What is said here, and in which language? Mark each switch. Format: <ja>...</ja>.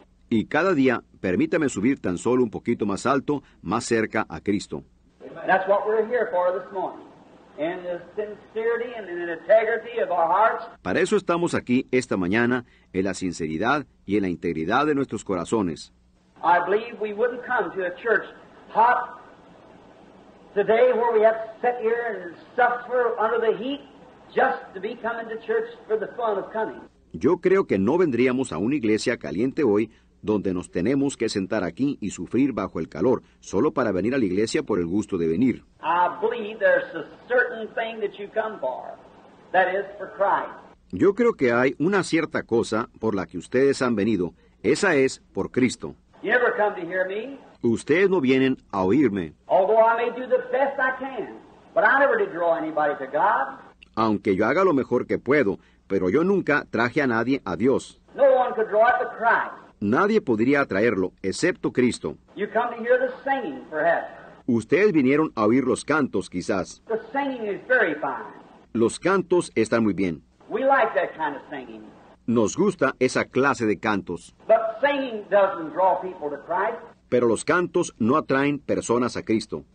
<es>Y cada día, permítame subir tan solo un poquito más alto, más cerca a Cristo.</es> <en>That's what we're here for this morning. In the sincerity and in the integrity of our hearts.</en> <es>Para eso estamos aquí esta mañana, en la sinceridad y en la integridad de nuestros corazones.</es> <en>I believe we wouldn't come to a church hot today where we have to sit here and suffer under the heat just to be coming to church for the fun of coming.</en> <es>Yo creo que no vendríamos a una iglesia caliente hoy donde nos tenemos que sentar aquí y sufrir bajo el calor solo para venir a la iglesia por el gusto de venir.</es> <en>I believe there's a certain thing that you come for, that is for Christ.</en> <es>Yo creo que hay una cierta cosa por la que ustedes han venido. Esa es por Cristo.</es> <en>You never come to hear me.</en> <es>Ustedes no vienen a oírme.</es> <en>Although I may do the best I can, but I never did draw anybody to God.</en> <es>Aunque yo haga lo mejor que puedo, pero yo nunca traje a nadie a Dios.</es> <en>No one could draw it to Christ.</en> <es>Nadie podría atraerlo, excepto Cristo.</es> <en>You come to hear the singing, perhaps.</en> <es>Ustedes vinieron a oír los cantos, quizás.</es> <en>The singing is very fine.</en> <es>Los cantos están muy bien.</es> <en>We like that kind of singing.</en> <es>Nos gusta esa clase de cantos.</es> <en>But singing doesn't draw people to Christ.</en> <es>Pero los cantos no atraen personas a Cristo.</es>